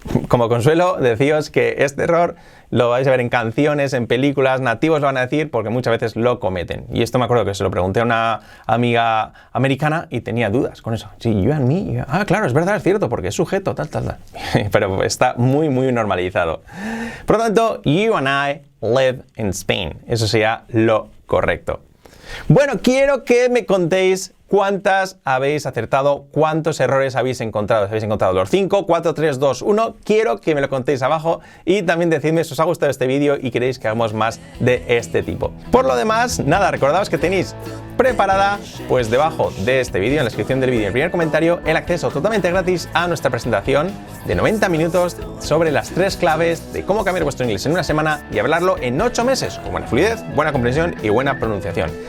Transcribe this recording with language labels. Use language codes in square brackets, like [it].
[es] Como consuelo, decíos que este error lo vais a ver en canciones, en películas, nativos lo van a decir porque muchas veces lo cometen. Y esto me acuerdo que se lo pregunté a una amiga americana y tenía dudas con eso. Sí, [en] you and me. [es] Ah, claro, es verdad, es cierto, porque es sujeto, tal, tal, tal. Pero está muy, muy normalizado. Por lo tanto, [en] you and I live in Spain. [es] Eso sería lo correcto. Bueno, quiero que me contéis cuántas habéis acertado, cuántos errores habéis encontrado. Si habéis encontrado los 5, 4, 3, 2, 1, quiero que me lo contéis abajo y también decidme si os ha gustado este vídeo y queréis que hagamos más de este tipo. Por lo demás, nada, recordaos que tenéis preparada, pues debajo de este vídeo, en la descripción del vídeo y en el primer comentario, el acceso totalmente gratis a nuestra presentación de 90 minutos sobre las 3 claves de cómo cambiar vuestro inglés en una semana y hablarlo en 8 meses con buena fluidez, buena comprensión y buena pronunciación.